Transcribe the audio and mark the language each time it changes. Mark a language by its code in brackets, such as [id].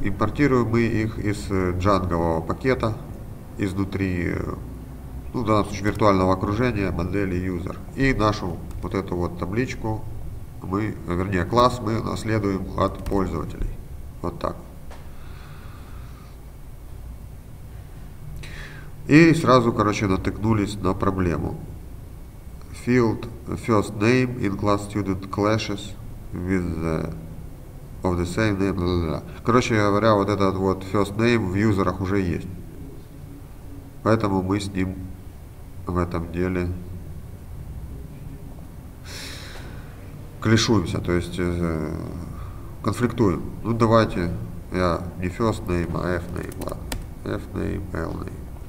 [ru] Импортируем мы их из джангового пакета, изнутри, ну, в данном случае, виртуального окружения, модели user. И нашу вот эту вот табличку, мы, вернее, класс мы наследуем от пользователей. Вот так. И сразу, короче, натыкнулись на проблему. [en] Field first name in class student clashes with the, of the same name. Blah, blah, blah. [ru] Короче говоря, вот этот вот first name в юзерах уже есть. Поэтому мы с ним в этом деле клешуемся, то есть конфликтуем. Ну давайте я не first name, а f name. Ладно. F name, l name.